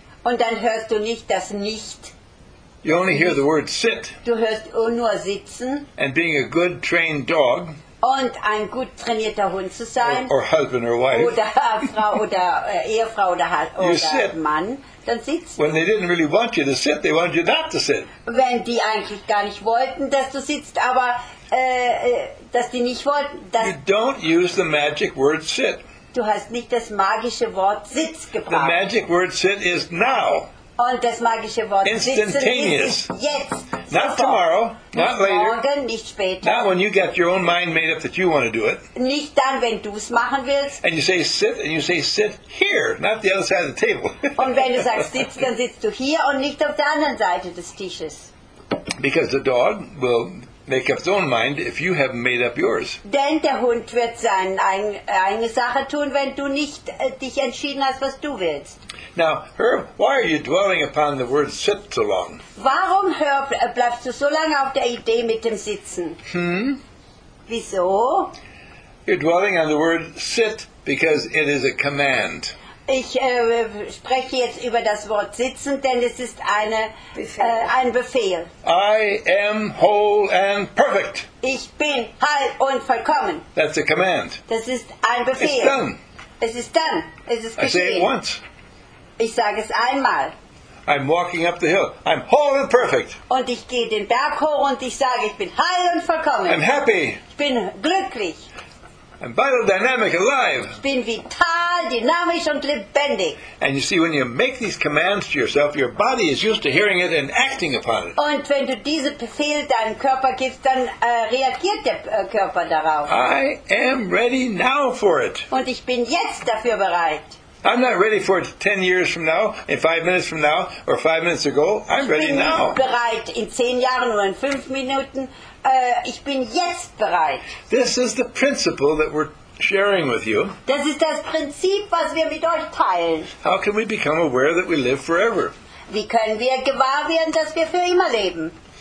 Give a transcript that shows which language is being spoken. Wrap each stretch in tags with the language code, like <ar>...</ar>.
<de>Und dann hörst du nicht das Nicht.</de> <en>You only hear the word sit.</en> <de>Du hörst nur sitzen.</de> <en>And being a good trained dog.</en> <de>Und ein gut trainierter Hund zu sein.</de> <en>Or husband or wife.</en> <de>Oder Frau oder Ehefrau oder Mann. Dann sitzt.</de> <en>When they didn't really want you to sit, they wanted you not to sit.</en> <de>Wenn die eigentlich gar nicht wollten, dass du sitzt, aber dass die nicht wollten. Dass</de> <en>you don't use the magic word sit.</en> <de>Du hast nicht das magische Wort Sitz gebraucht.</de> <en>The magic word sit is now.</en> <de>Und das magische Wort</de> <en>instantaneous.</en> <de>Sitzen ist jetzt.</de> <en>Not</en> <de>sofort.</de> <en>Tomorrow, not later.</en> <de>Morgen, nicht später.</de> <en>Not when you get your own mind made up that you want to do it.</en> <de>Nicht dann, wenn du es machen willst.</de> <en>And you say sit, and you say sit here, not the other side of the table.</en> <de>Und wenn du sagst sitz, dann sitzt du hier und nicht auf der anderen Seite des Tisches.</de> <en>Because the dog will make up his own mind if you haven't made up yours.</en> <de>Denn der Hund wird seine eigene Sache tun, wenn du nicht dich entschieden hast, was du willst.</de> <en>Now, Herb, why are you dwelling upon the word sit so long?</en> <de>Warum, Herb, bleibst du so lange auf der Idee mit dem Sitzen? Hmm? Wieso?</de> <en>You're dwelling on the word sit because it is a command.</en> <de>Ich spreche jetzt über das Wort sitzen, denn es ist ein Befehl.</de> <en>I am whole and perfect.</en> <de>Ich bin heil und vollkommen.</de> <en>That's a command.</en> <de>Das ist ein Befehl.</de> <en>It's done.</en> <de>Es ist</de> <en>done.</en> <de>Es ist geschehen.</de> <en>I say it once.</en> <de>Ich sage es einmal.</de> <en>I'm walking up the hill. I'm whole and perfect.</en> <de>Und ich gehe den Berg hoch und ich sage, ich bin heil und vollkommen.</de> <en>I'm happy.</en> <de>Ich bin glücklich.</de> <en>I'm vital, dynamic, alive.</en> <de>Ich bin vital, dynamisch und lebendig.</de> <en>And you see, when you make these commands to yourself, your body is used to hearing it and acting upon it.</en> <de>Und wenn du diese Befehle deinem Körper gibst, dann reagiert der Körper darauf.</de> <en>I am ready now for it.</en> <de>Und ich bin jetzt dafür bereit.</de> <en>I'm not ready for it 10 years from now, in 5 minutes from now, or 5 minutes ago. I'm ready now.</en> <de>Ich bin bereit in 10 Jahren oder in 5 Minuten. Ich bin jetzt bereit.</de> <en>This is the principle that we're sharing with you.</en> <de>Das ist das Prinzip, was wir mit euch teilen.</de> <en>How can we become aware that we live forever?</en> <de>Wie können wir gewahr werden, dass wir für immer leben?</de>